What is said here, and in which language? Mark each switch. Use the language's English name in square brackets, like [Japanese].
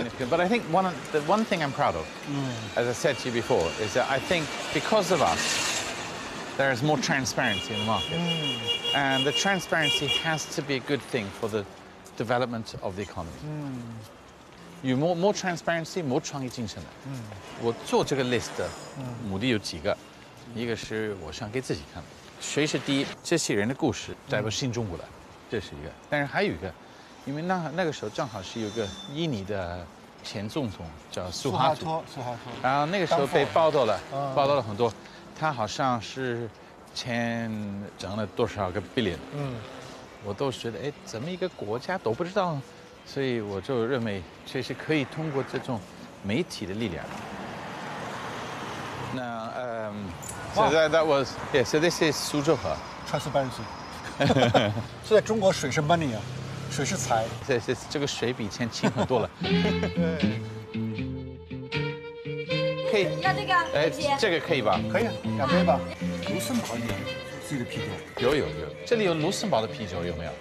[English] But I think the one thing I'm proud of, as I said to you before, is that I think because of us, there is more transparency in the market. And the transparency has to be a good thing for the development of the economy. [Chinese] 有 [English] more transparency， [Chinese] 有创意精神的。我做这个 list 的目的有几个，一个是我想给自己看，谁是第一，这些人的故事在我心中的，这是一个。但是还有一个，因为那个时候正好是有一个印尼的前总统叫苏哈托，然后那个时候被报道了，报道了很多，他好像是签整了多少个 billion， 嗯，我都觉得哎，怎么一个国家都不知道，所以我就认为确实可以通过这种媒体的力量。 [English] 那so that was yeah, so this is [Chinese] 苏州河，transparency， 是在中国水是 money 啊。水是财，这个水比以前清很多了。可以要那个，这个可以吧？可以，两杯吧。卢森堡也有自己的啤酒，有，这里有卢森堡的啤酒有没有？